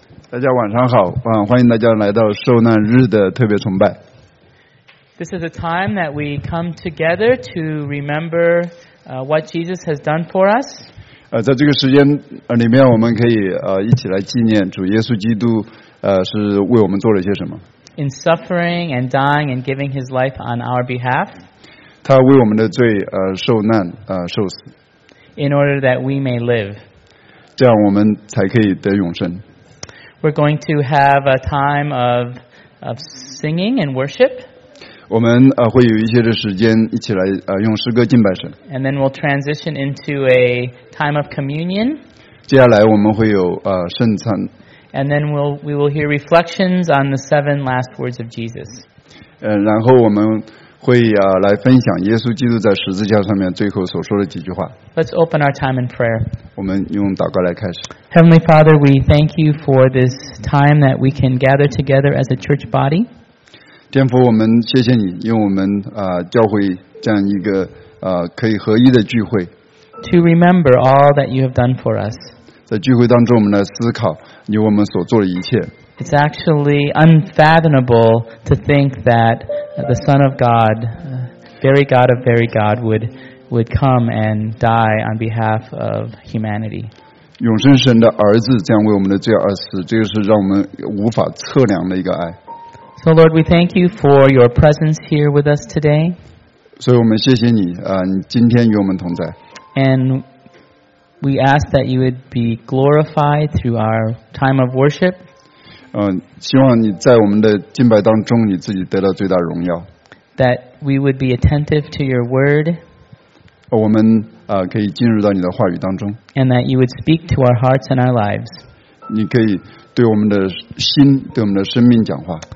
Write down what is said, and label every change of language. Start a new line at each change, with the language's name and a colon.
Chinese: 大家晚上好，欢迎大家来到受难日的特别崇拜。
English: This is a time that we come together to remember what Jesus has done for us.
Chinese: 在这个时间里面，我们可以一起来纪念主耶稣基督是为我们做了些什么。
English: In suffering and dying and giving His life on our behalf.
Chinese: 他为我们的罪受难受死。
English: In order that we may live.
Chinese: 这样我们才可以得永生。
English: We're going to have a time of singing and worship.
Chinese: 我们会有一些的时间一起来用诗歌敬拜神。
English: And then we'll transition into a time of communion.
Chinese: 接下来我们会有圣餐。
English: And then we will hear reflections on the seven last words of Jesus.
Chinese: 然后我们会来分享耶稣基督在十字架上面最后所说的几句话。
English: Let's open our time in prayer.
Chinese: 我们用祷告来开始。
English: Heavenly Father, we thank you for this time that we can gather together as a church body.
Chinese: 天父，我们谢谢你，用我们教会这样一个可以合一的聚会。
English: To remember all that you have done for us.
Chinese: 在聚会当中，我们来思考你为我们所做的一切。
English: It's actually unfathomable to think that. The Son of God, very God of very God, would come and die on behalf of humanity.
Chinese: 永生神的儿子将为我们的罪而死，这个是让我们无法测量的一个爱。
English: So Lord, we thank you for your presence here with us today.
Chinese: 所以我们谢谢你，你今天与我们同在。
English: And we ask that you would be glorified through our time of worship.
Chinese: 希望你在我们的敬拜当中你自己得到最大荣耀。
English: That we would be attentive to your word.
Chinese: 我们可以进入到你的话语当中。
English: And that you would speak to our hearts and our lives.
Chinese: 你可以对我们的心，对我们的生命讲话。